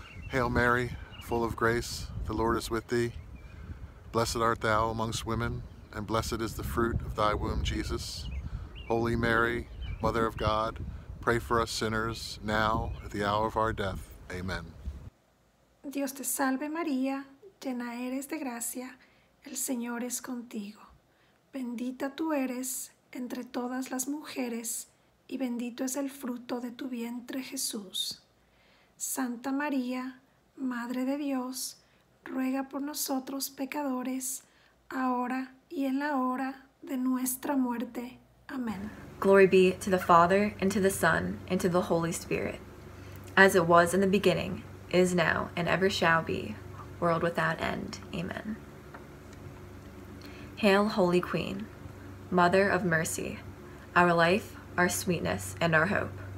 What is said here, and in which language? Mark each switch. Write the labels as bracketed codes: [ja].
[en] Hail Mary, full of grace, the Lord is with thee. Blessed art thou amongst women, and blessed is the fruit of thy womb, Jesus. Holy Mary, Mother of God, pray for us sinners, now at the hour of our death. Amen. [es] Dios te salve, Maria, llena eres de gracia, el Señor es contigo. Bendita tú eres entre todas las mujeres, y bendito es el fruto de tu vientre, Jesús. Santa María, Madre de Dios, ruega por nosotros pecadores, ahora y en la hora de nuestra muerte. Amén. [en] Glory be to the Father, and to the Son, and to the Holy Spirit, as it was in the beginning, is now, and ever shall be, world without end. Amen. Hail, Holy Queen, Mother of Mercy, our life, our sweetness, and our hope.